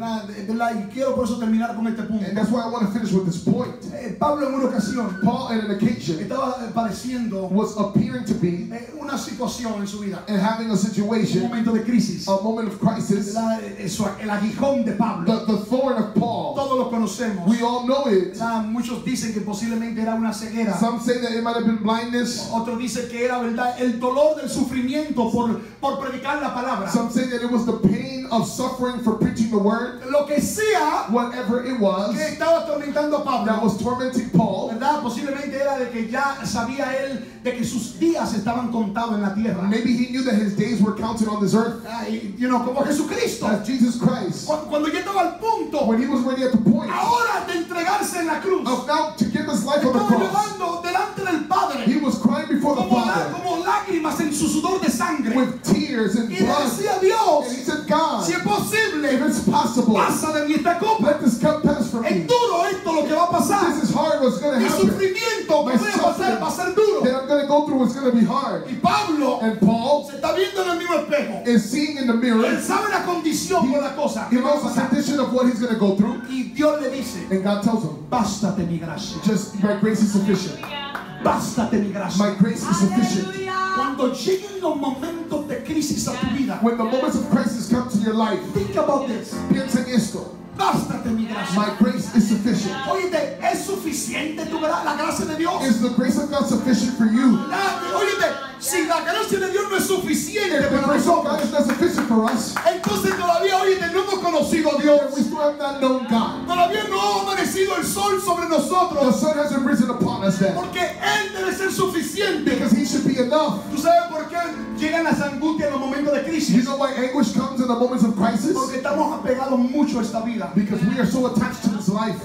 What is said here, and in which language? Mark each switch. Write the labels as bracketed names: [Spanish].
[Spanish] Y quiero por eso terminar con este punto. [English] And that's why I want to finish with this point. [Spanish] Pablo en una ocasión, [English] Paul in an occasion, [Spanish] estaba padeciendo, [English] was appearing to be, [Spanish] una situación en su vida, [English] and having a situation, [Spanish] un momento de crisis, [English] a moment of crisis, [Spanish] el aguijón de Pablo, [English] the thorn of Paul. [Spanish] Todos lo conocemos. [English] We all know it. [Spanish] Muchos dicen que posiblemente era una ceguera. [English] Some say that it might have been blindness. [Spanish] Otro dice que era verdad el dolor del sufrimiento por predicar la palabra. [English] Some say that it was the pain of suffering for preaching the word. [Spanish] Lo que sea, [English] whatever it was, [Spanish] que estaba tormentando a Pablo, [English] that was tormenting Paul, [Spanish] verdad, posiblemente era de que ya sabía él de que sus días estaban contados en la tierra. [English] Maybe he knew that his days were counted on this earth. [Spanish] Como Jesucristo, [English] as Jesus Christ, [Spanish] cuando ya estaba al punto, [English] when he was ready at the point, [Spanish] ahora de entregarse en la cruz, [English] of now to give his life on the cross, [Spanish] llorando delante del Padre, [English] he was crying before the Father, [Spanish] como lágrimas en su sudor de sangre, [English] with tears and blood, [Spanish] y decía Dios, [English] and he said, God, [Spanish] si es posible, [English] if it's possible, [Spanish] pasa de mí esta copa, [English] let this cup pass from me. [Spanish] Es duro esto lo que va a pasar. [English] This is hard what's going to happen. [Spanish] Mi sufrimiento que voy a pasar va a ser duro. [English] Going to go through is going to be hard. [Spanish] Y Pablo, [English] and Paul, [Spanish] se está viendo en el mismo espejo, [English] is seeing in the mirror. [Spanish] Él sabe la condición, he, la cosa, [English] he knows the condition of what he's going to go through. [Spanish] Y Dios le dice, [English] and God tells him, [Spanish] bástate mi gracia. [English] Just my grace is sufficient. [Spanish] Bástate mi gracia. [English] My grace is sufficient. [Spanish] Cuando lleguen los momentos de crisis a tu vida, [English] when the moments of crisis come to your life, think about this. [Spanish] Piensa en esto. Bástate mi gracia. [English] My grace is sufficient. [Spanish] Oye, ¿es suficiente tu la gracia de Dios? [English] Is the grace of God sufficient for you? [Spanish] Oye, si la gracia de Dios no es suficiente, [English] if the grace of God is not sufficient for us, [Spanish] entonces todavía, oye, no hemos conocido a Dios. [English] We still have not known God. [Spanish] Todavía no ha amanecido el sol sobre nosotros. [English] The sun hasn't risen upon us yet. [Spanish] Porque Él debe ser suficiente. [English] Because He should be enough. [Spanish] ¿Tú sabes por qué llegan las angustias en los momentos de crisis? [English] You know why anguish comes in the moments of crisis? [Spanish] Porque estamos apegados mucho a esta vida. [English] Because we are so attached to this life,